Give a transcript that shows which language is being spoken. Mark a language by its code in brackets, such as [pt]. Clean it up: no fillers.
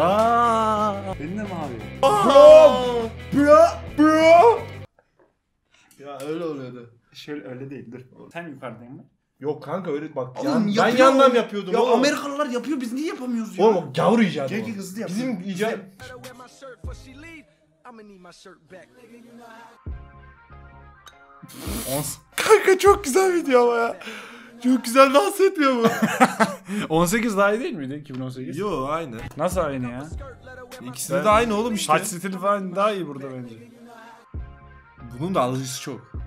[tr] Aaa. Benim de mavi. [en] Bro. Bro. [tr] Ya öyle oluyordu. Şöyle öyle değil dur. Sen yukarıdayın mı? Yok kanka öyle bak. Oğlum, yani, ben yandan yapıyordum. Ya Amerikalılar yapıyor biz niye yapamıyoruz oğlum, ya? Oğlum gavur icadı gel, o. Gel hızlı yap. Bizim icadı. [en] I'm gonna need my shirt back. [tr] Kanka çok güzel video ama ya. Çok güzel dans etmiyor bu. 18 daha iyi değil miydi 2018? Yo aynı. Nasıl aynı ya? İkisi de aynı oğlum işte. Saç stili falan daha iyi burada bence. Bunun da alıcısı çok.